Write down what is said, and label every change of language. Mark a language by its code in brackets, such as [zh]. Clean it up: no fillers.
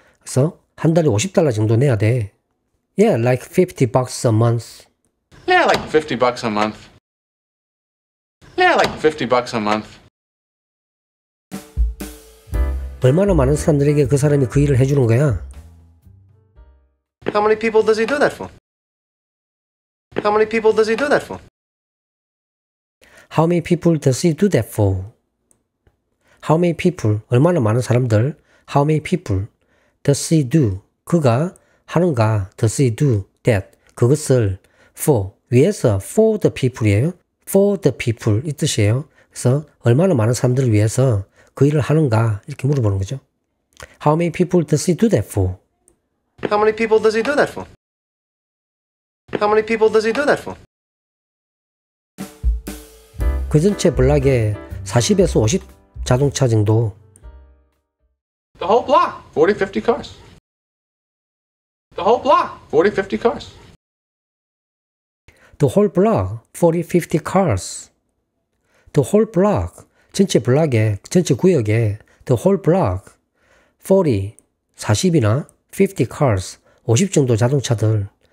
[ko] 그래서 한 달에 $50 정도 내야 돼. [en] Yeah, like $50 a month. Yeah, like $50 a month. Yeah, like $50 a month. [ko] 얼마나 많은 사람들에게 그 사람이 그 일을 해주는 거야? [en] How many people does he do that for? How many people does he do that for? How many people does he do that for? How many people, [ko] 얼마나 많은 사람들, [en] how many people does he do, 그가 하는가, does he do that, 그것을 for, 위해서 for the people이에요. [ko] For the people 이 뜻이에요. 그래서 얼마나 많은 사람들을 위해서 그 일을 하는가 이렇게 물어보는 거죠. [en] How many people does he do that for? How many people does he do that for? How many people does he do that for? [ko] 그 전체 블락에 40에서 50 자동차 정도. [en] The whole block, 40, 50 cars. The whole block, 40, 50 cars. The whole block, 40, 50 cars. The whole block, [ko] 전체 블락에, 전체 구역에, [en] the whole block, 40, 40이나 50 cars, 50 정도 자동차들.